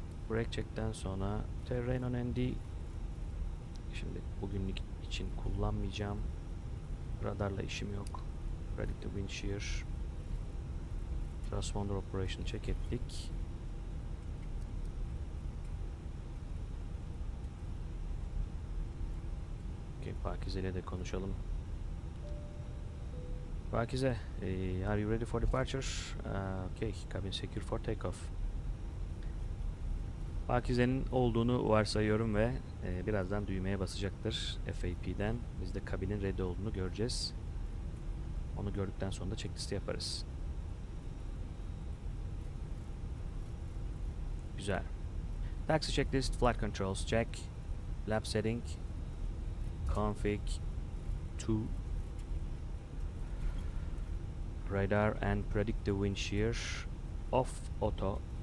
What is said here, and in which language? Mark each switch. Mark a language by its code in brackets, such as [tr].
[tr] Brake check'ten sonra Terreno ND, şimdi bugünlük için kullanmayacağım. Radarla işim yok. [en] Ready to wind shear. Transponder operation check ettik. [tr] Okay, Pakize ile de konuşalım. [en] Pakize, are you ready for departure? Okay, cabin secure for takeoff. [tr] Pakize'nin olduğunu varsayıyorum ve birazdan düğmeye basacaktır FAP'den. Biz de kabinin ready olduğunu göreceğiz. Onu gördükten sonra da checklist yaparız. [en] Güzel. Taxi checklist, flight controls check, flap setting, config 2, radar and predict the wind shear, off auto.